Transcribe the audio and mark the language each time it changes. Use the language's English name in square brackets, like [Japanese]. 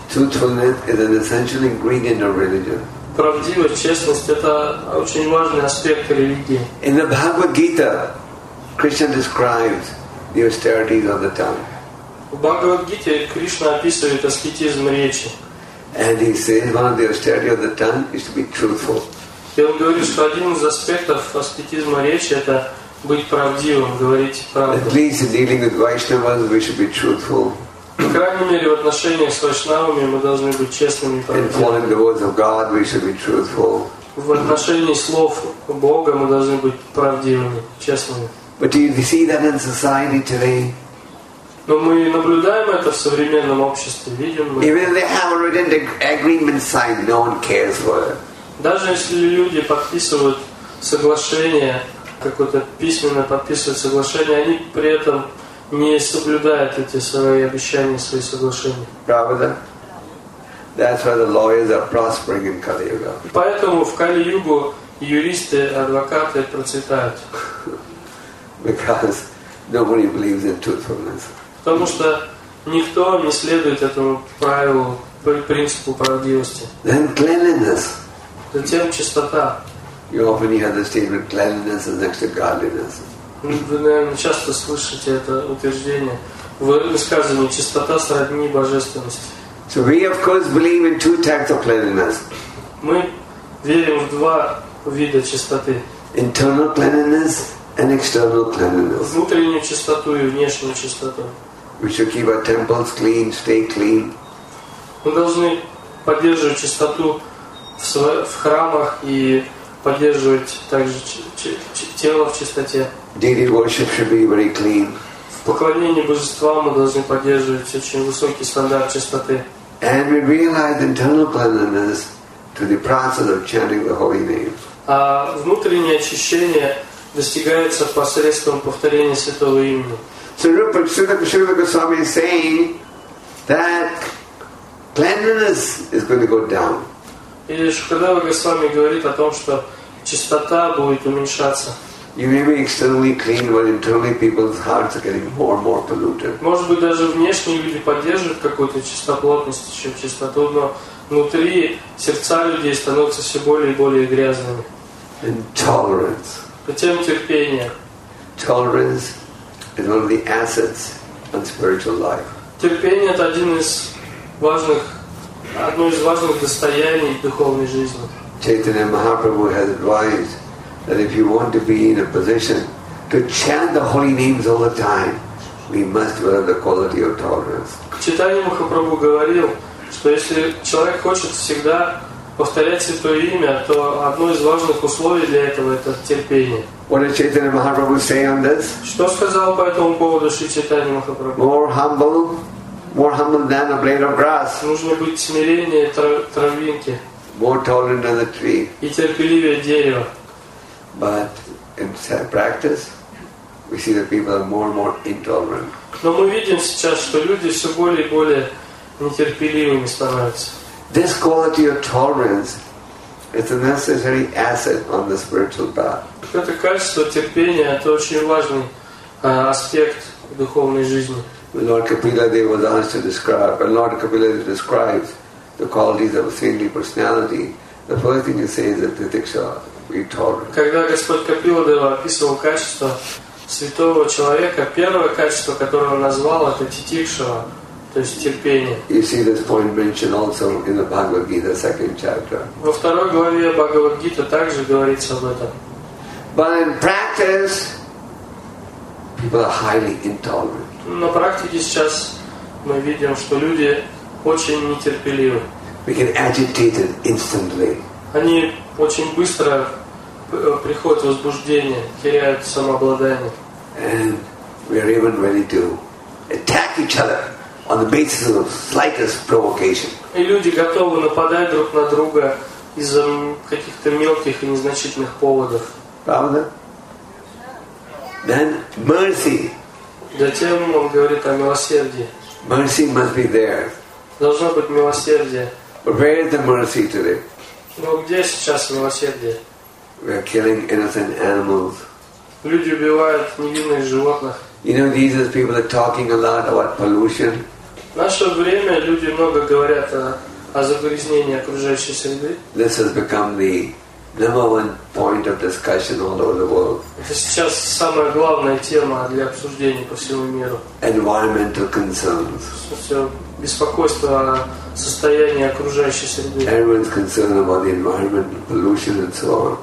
[English] Truthfulness is an essential ingredient of religion. [Russian] Правдивость, честность — это очень важный аспект религии. [English] In the Bhagavad Gita, Krishna describes the austerities of the tongue. [Russian] В Бхагавад Гите Кришна описывает аскетизм речи. [English] And he says one of the austerities of the tongue is to be truthful. [Russian] И он говорит, что один из аспектов аскетизма речи — это быть правдивым, говорить правду. [English] At least in dealing with Vaishnavas, we should be truthful. [Russian] По крайней мере, в отношениях с вайшнавами мы должны быть честными и правдивыми. [English] In following the words of God, we should be truthful. [Russian] В отношении слов Бога мы должны быть правдивыми, честными. [English] But do you see that in society today? [Russian] Но мы наблюдаем это в современном обществе, видим мы. [English] Even if they have a written agreement signed, no one cares for it. [Russian] Даже если люди подписывают соглашение, какое-то письменно подписывают соглашение, они при этом не соблюдают эти свои обещания, свои соглашения. Правда? [English] That's why the lawyers are prospering in Kali Yuga. [Russian] Поэтому в Кали Югу юристы, адвокаты процветают. [English] Because nobody believes in truthfulness. [Russian] Потому что никто не следует этому правилу, принципу правдивости. [English] Then cleanliness. [Russian] Затем чистота. [English] You often hear the statement cleanliness is next to godliness. [Russian] Вы, наверное, часто слышите это утверждение. Высказывание чистота сродни божественности. [English] So we of course believe in two types of cleanliness. [Russian] Мы верим в два вида чистоты. [English] Internal cleanliness and external cleanliness. [Russian] Внутреннюю чистоту и внешнюю чистоту. [English] We should keep our temples clean, stay clean. [Russian] Мы должны поддерживать чистоту в храмах и поддерживать также тело в чистоте. [English] Daily worship should be very clean. [Russian] В поклонении божествам мы должны поддерживать очень высокий стандарт чистоты. [English] And we realize internal cleanliness through the process of chanting the holy name. [Russian] А внутреннее очищение достигается посредством повторения святого имени. [English] So Rupa Sudha Goswami is saying that cleanliness is going to go down. [Russian] И Шукадева Госвами говорит о том, что чистота будет уменьшаться. [English] You may be externally clean, but internally people's hearts are getting more and more polluted. [Russian] Может быть, даже внешние люди поддерживают какую-то чистоплотность, еще чистоту, но внутри сердца людей становятся все более и более грязными. [English] Intolerance. [Russian] Затем терпение. [English] Tolerance is one of the assets of spiritual life. [Russian] Терпение — это одно из важных достояний духовной жизни. [English] Chaitanya Mahaprabhu has advised that if you want to be in a position to chant the holy names all the time, we must develop the quality of tolerance. [Russian] Chaitanya Mahaprabhu говорил, что если человек хочет всегда повторять святое имя, то одно из важных условий для этого — это терпение. [English] What did Chaitanya Mahaprabhu say on this? [Russian] Что сказал по этому поводу Шри Чайтанья Махапрабху? [English] More humble than a blade of grass. [Russian] Нужно быть смиреннее травинки. [English] More tolerant than a tree. [Russian] И терпеливее дерева. [English] But in practice, we see that people are more and more intolerant. [Russian] Но мы видим сейчас, что люди все более и более нетерпеливыми становятся. [English] This quality of tolerance It's a necessary asset on the spiritual path. [Russian] Это качество терпения, это очень важный аспект духовной жизни. [English] Lord Kapila Dev was asked to describe, and Lord Kapila Dev describes the qualities of a saintly personality. The first thing he says is the diksha we taught. [Russian] Когда Господь Капила Дев описывал качество святого человека, первое качество, которое он назвал, это титикшава, то есть терпение. [English] You see this point mentioned also in the Bhagavad Gita, second chapter. [Russian] Во второй главе Бхагавад Гита также говорится об этом. [English] But in practice, people are highly intolerant. [Russian] На практике сейчас мы видим, что люди очень нетерпеливы. [English] We get agitated instantly. [Russian] Они очень быстро приходит возбуждение, теряют самообладание. [English] And we are even ready to attack each other on the basis of the slightest provocation. [Russian] И люди готовы нападать друг на друга из-за каких-то мелких и незначительных поводов. Правда? [English] Then mercy. [Russian] Затем он говорит о милосердии. [English] Mercy must be there. [Russian] Должно быть милосердие. [English] But where is the mercy today? [Russian] Но где сейчас милосердие? [English] We are killing innocent animals. [Russian] Люди убивают невинных животных. [English] You know, these are people that are talking a lot about pollution. [Russian] В наше время люди много говорят о загрязнении окружающей среды. [English] This has become the number one point of discussion all over the world. [Russian] Это сейчас самая главная тема для обсуждения по всему миру. [English] Environmental concerns. [Russian] Все беспокойство о состоянии окружающей среды. [English] Everyone's concerned about the environment, pollution, and so on.